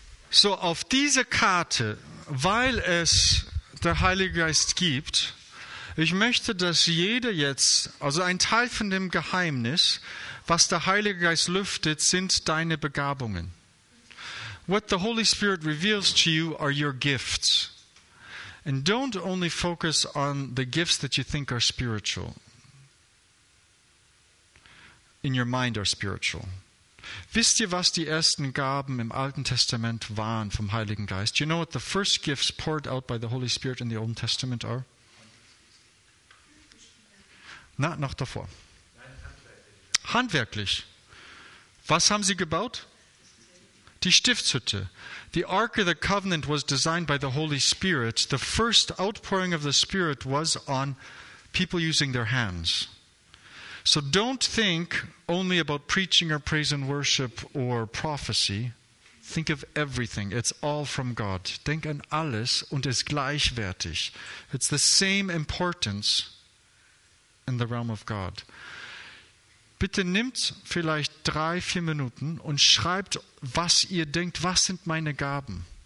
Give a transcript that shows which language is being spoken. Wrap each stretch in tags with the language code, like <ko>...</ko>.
<de>So, auf dieser Karte, weil es der Heilige Geist gibt, ich möchte, dass jeder jetzt, also ein Teil von dem Geheimnis, was der Heilige Geist lüftet, sind deine Begabungen.</de> <en>What the Holy Spirit reveals to you are your gifts. And don't only focus on the gifts that you think are spiritual. In your mind are spiritual.</en> <de>Wisst ihr, was die ersten Gaben im Alten Testament waren vom Heiligen Geist?</de> <en>Do you know what the first gifts poured out by the Holy Spirit in the Old Testament are?</en> <de>Na, noch davor. Handwerklich. Was haben sie gebaut? Die Stiftshütte.</de> <en>The Ark of the Covenant was designed by the Holy Spirit. The first outpouring of the Spirit was on people using their hands. So don't think only about preaching or praise and worship or prophecy. Think of everything. It's all from God.</en> <de>Denk an alles und es gleichwertig.</de> <en>It's the same importance in the realm of God.</en> <de>Bitte nimmt vielleicht 3-4 Minuten und schreibt, was ihr denkt, was sind meine Gaben.</de>